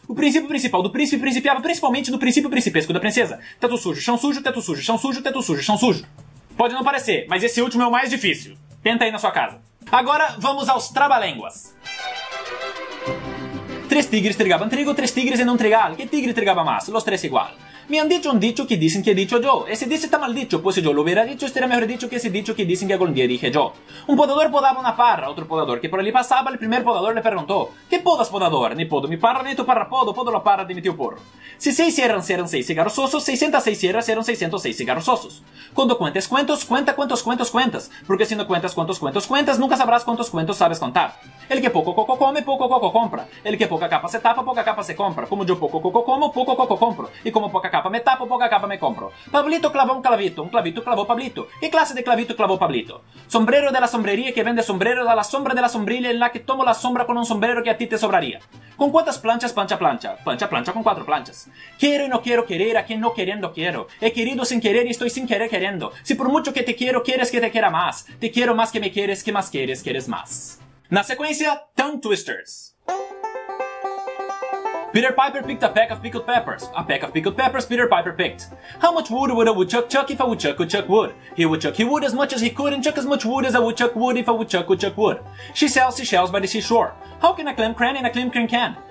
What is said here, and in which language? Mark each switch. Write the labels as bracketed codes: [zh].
[pt] O princípio principal do príncipe principiava principalmente no princípio principesco da princesa. Teto sujo, chão sujo, teto sujo, chão sujo, teto sujo, chão sujo. Pode não parecer, mas esse último é o mais difícil. Tenta aí na sua casa. Agora vamos aos trabalínguas. Três tigres trigavam trigo, três tigres e não trigavam. Que tigre trigava mais? [es] Los tres igual. Me han dicho un dicho que dicen que he dicho yo. Ese dicho está mal dicho, pues si yo lo hubiera dicho, estaría mejor dicho que ese dicho que dicen que algún día dije yo. Un podador podaba una parra, otro podador que por allí pasaba, el primer podador le preguntó: ¿Qué podas, podador? Ni podo mi parra, ni tu parra podo, podo la parra de mi tío porro. Si seis sierras eran seis cigarros osos, 606 sierras eran 606 cigarros osos. Cuando cuentes cuentos, cuenta cuántos cuentos cuentas, porque si no cuentas cuántos cuentos cuentas, nunca sabrás cuántos cuentos sabes contar. El que poco coco come, poco coco compra. El que poca capa se tapa, poca capa se compra. Como yo poco coco como, poco coco compro. Y como poca capa me tapo, poca capa me compro. Pablito clavó un clavito clavó Pablito. ¿Qué clase de clavito clavó Pablito? Sombrero de la sombrería que vende sombrero a la sombra de la sombrilla en la que tomo la sombra con un sombrero que a ti te sobraría. ¿Con cuántas planchas plancha plancha? Plancha plancha con cuatro planchas. Quiero y no quiero querer a quien no queriendo quiero. He querido sin querer y estoy sin querer queriendo. Si por mucho que te quiero, quieres que te quiera más. Te quiero más que me quieres, que más quieres, quieres más. [pt] Na sequência, Tongue Twisters. [en] Peter Piper picked a peck of pickled peppers. A peck of pickled peppers Peter Piper picked. How much wood would a woodchuck chuck if a woodchuck would chuck wood? He would as much as he could and chuck as much wood as a woodchuck would if a woodchuck would chuck wood. She sells seashells by the seashore. How can a clam cran in a clam cran can?